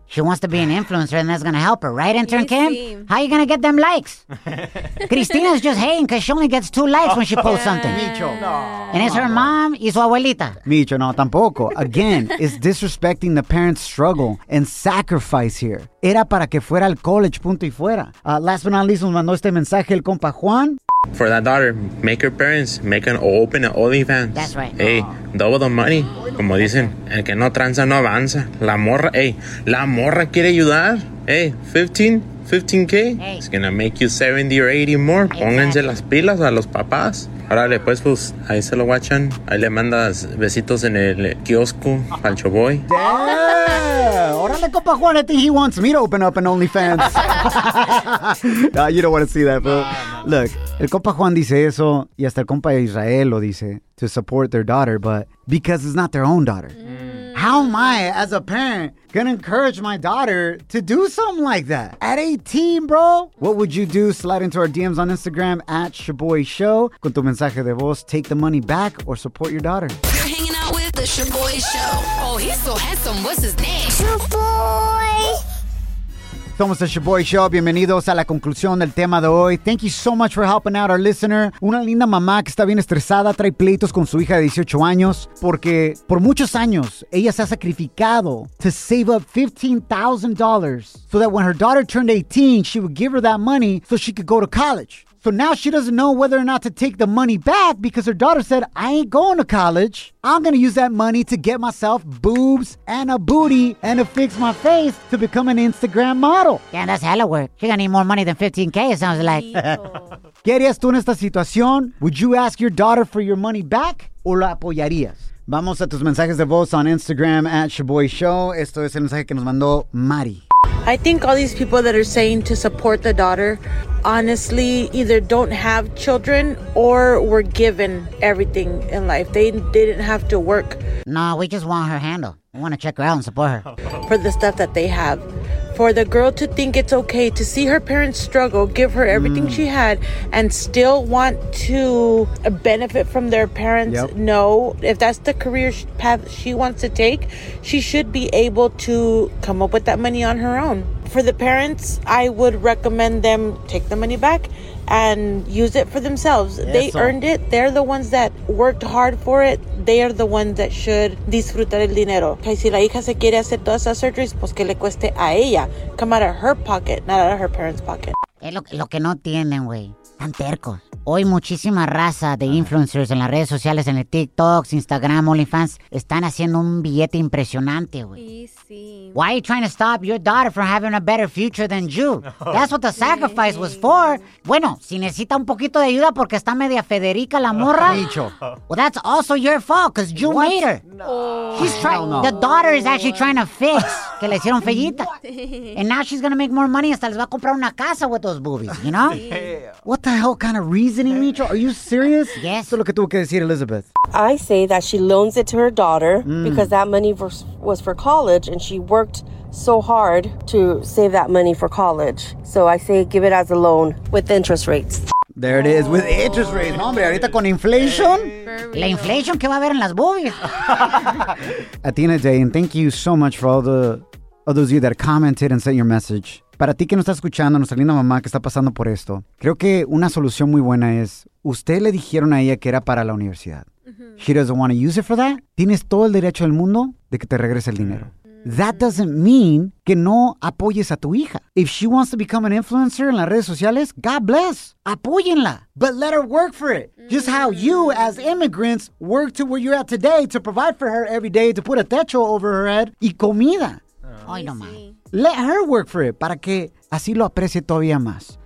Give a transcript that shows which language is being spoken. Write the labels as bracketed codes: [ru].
[en] She wants to be an influencer and that's going to help her, right, intern Kim? How are you going to get them likes? Cristina's just hating because she only gets 2 likes when she posts something. Micho. No. And it's her mom [es] y su abuelita. Micho, no, tampoco. [en] Again, it's disrespecting the parents' struggle and sacrifice here. [es] Era para que fuera al college, punto y fuera. [en] Last but not least, [es] nos mandó este mensaje el compa Juan. [en] For that daughter, make her parents make an open and only fans. That's right. Hey, double the money. [es] Como dicen, el que no tranza no avanza. La morra quiere ayudar. Hey, 15K. [en] Hey. It's going to make you 70 or 80 more. Exactly. [es] Pónganse las pilas a los papás. Órale, pues, ahí se lo guachan. Ahí le mandas besitos en el kiosco, Pancho Boy. [en] Yeah! Órale, compa Juan, I think he wants me to open up an OnlyFans. No, you don't want to see that, bro. No, no, no. Look, [es] el compa Juan dice eso, y hasta el compa Israel lo dice, [en] to support their daughter, but because it's not their own daughter. [es] Mm. [en] How am I, as a parent, gonna encourage my daughter to do something like that? At 18, bro? What would you do? Slide into our DMs on Instagram, at Shaboy Show. [es] Con tu mensaje de voz, [en] take the money back or support your daughter. You're hanging out with the Shaboy Show. Oh, he's so handsome. What's his name? Shaboy. [es] Somos el Shaboy Show. Bienvenidos a la conclusión del tema de hoy. [en] Thank you so much for helping out our listener. [es] Una linda mamá que está bien estresada, trae pleitos con su hija de 18 años porque por muchos años ella se ha sacrificado [en] to save up $15,000 so that when her daughter turned 18, she would give her that money so she could go to college. So now she doesn't know whether or not to take the money back because her daughter said, I ain't going to college. I'm going to use that money to get myself boobs and a booty and to fix my face to become an Instagram model. Yeah, that's hella work. She's going to need more money than $15,000, it sounds like. [es] ¿Qué harías tú en esta situación? [en] Would you ask your daughter for your money back [es] o la apoyarías? Vamos a tus mensajes de voz [en] on Instagram at Shaboy Show. [es] Esto es el mensaje que nos mandó Mari. [en] I think all these people that are saying to support the daughter, honestly, either don't have children or were given everything in life. They didn't have to work. No, we just want her handle. We want to check her out and support her. For the stuff that they have. For the girl to think it's okay to see her parents struggle, give her everything she had, and still want to benefit from their parents. Yep. No, if that's the career path she wants to take, she should be able to come up with that money on her own. For the parents, I would recommend them take the money back and use it for themselves. Yes, they earned it. They're the ones that worked hard for it. They are the ones that should [es] disfrutar el dinero. Que si la hija se quiere hacer todas esas surgeries, pues que le cueste a ella. [en] Come out of her pocket, not out of her parents' pocket. [es] Es lo que no tienen, güey. Tan tercos. Hoy muchísima raza de influencers en las redes sociales, en el TikTok, Instagram, OnlyFans, están haciendo un billete impresionante, güey. Sí. [en] Why are you trying to stop your daughter from having a better future than you? No. That's what the sacrifice was for. [es] Bueno, si necesita un poquito de ayuda porque está media Federica la morra. Dicho. [en] Well, that's also your fault because you what? Made her. No. She's trying. No. The daughter is actually trying to fix [es] que le hicieron fellita. [en] And now she's going to make more money [es] hasta les va a comprar una casa [en] with those boobies, you know? Yeah. What the hell kind of reasoning, Micho? Are you serious? Yes. So look at what said Elizabeth. I say that she loans it to her daughter because that money was for college and she worked so hard to save that money for college. So I say give it as a loan with interest rates. There it is, with interest rates. [es] Hombre, ahorita con [en] inflation. [es] La inflation que va a haber en las boobies. [en] At the end of the day, and thank you so much for all those of you that commented and sent your message. [es] Para ti que no está escuchando, nuestra linda mamá que está pasando por esto, creo que una solución muy buena es, usted le dijeron a ella que era para la universidad. [en] She doesn't want to use it for that. [es] Tienes todo el derecho del mundo de que te regrese el dinero. [en] That doesn't mean [es] que no apoyes a tu hija. [en] If she wants to become an influencer [es] en las redes sociales, [en] God bless. [es] Apóyenla. [en] But let her work for it. Just how you, as immigrants, work to where you're at today to provide for her every day, to put a techo over her head [es] y comida. Ay, no más. [en] Let her work for it [es] para que así lo aprecie todavía más.